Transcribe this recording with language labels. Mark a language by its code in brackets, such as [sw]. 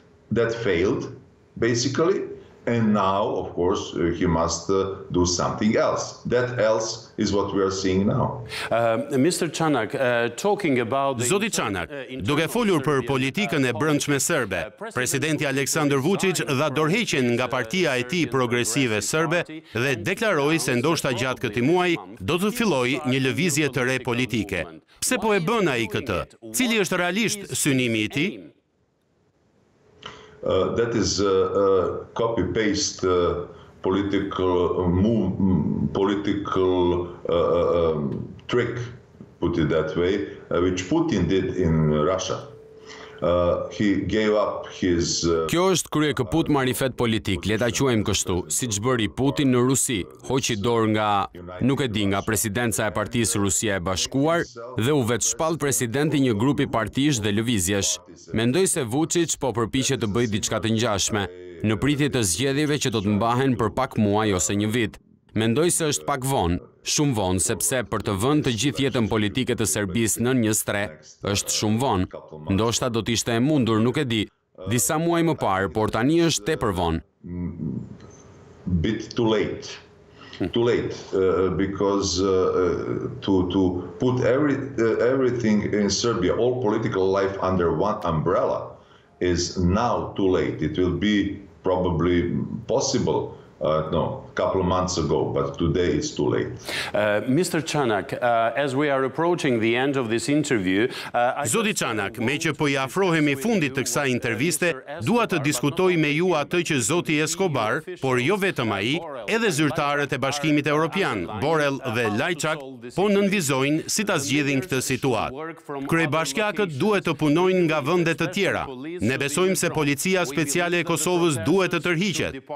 [en] That failed basically and now of course he must do something else. That else is what we are seeing now. Mr. Çanak, talking about the [sq] Zoti Çanak, duke folur për politikën e brendshme serbe, presidenti Aleksandar Vučić dha dorëheqjen nga partia e tij progresive serbe dhe deklaroi se ndoshta gjatë këtij muaji do të fillojë një lëvizje të re politike. Pse po e bën ai këtë? Cili është realisht synimi i tij? [en] That is a copy paste political move, political trick, put it that way, which Putin did in Russia. He gave up his [sq] Kjo është kryekëput marifet politik, leta quajmë kështu, si që bëri Putin në Rusi, hoqi dorë nga, nuk e di, nga presidenca e partisë Rusia e Bashkuar, dhe u vetë shpalë presidenti një grupi partish dhe lëvizjesh. Mendoj se Vučić po përpiqet të bëjë diçka të ngjashme, në pritje të zgjedhjeve që do të mbahen për pak muaj ose një vit. Mendoj se është pak vonë, shumë vonë, sepse për të vënë të gjithë jetën politike të Serbisë në një stre, është shumë vonë. Ndoshta do të ishte e mundur, nuk e di, disa muaj më parë, por tani është tepër vonë. [en] Bit too late. Too late because to put everything in Serbia, all political life under one umbrella is now too late. It will be probably possible no, a couple of months ago, but today it's too late. Mr. Çanak, as we are approaching the end of this interview, [sq] Zoti Çanak, me që po i afrohemi fundit të kësaj interviste, dua të diskutoj me ju atë që Zoti Escobar, por jo vetëm ai, edhe zyrtarët e Bashkimit Evropian, Borrell dhe Lajçak, po nënvizojnë si ta zgjidhin këtë situatë. Kryebashkiakët duhet të punojnë nga vende të tjera. Ne besojmë se policia speciale e Kosovës duhet të tërhiqet.